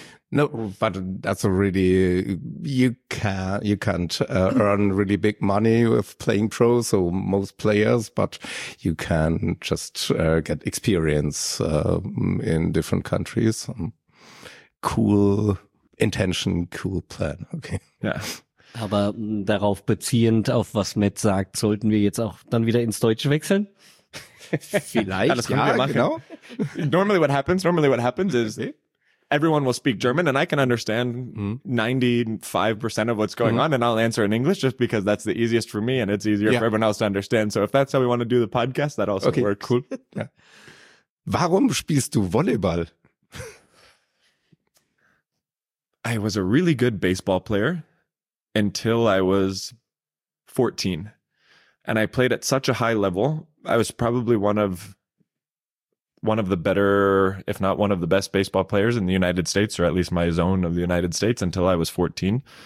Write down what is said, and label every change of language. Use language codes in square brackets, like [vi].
[en] No, but that's a really, you can't earn really big money with playing pro, so most players, but you can just get experience in different countries. Cool intention, cool plan. Okay. Yeah. [de] Aber darauf beziehend, auf was Matt sagt, sollten wir jetzt auch dann wieder ins Deutsche wechseln? Vielleicht, ja, können wir machen. Genau. [en] Normally what happens is everyone will speak German and I can understand 95% of what's going on, and I'll answer in English just because that's the easiest for me and it's easier for everyone else to understand. So if that's how we want to do the podcast, that also works. [de] Cool. Ja. Warum spielst du Volleyball? [en] I was a really good baseball player until I was 14. And I played at such a high level. I was probably one of the better, if not one of the best baseball players in the United States, or at least my zone of the United States, until I was 14.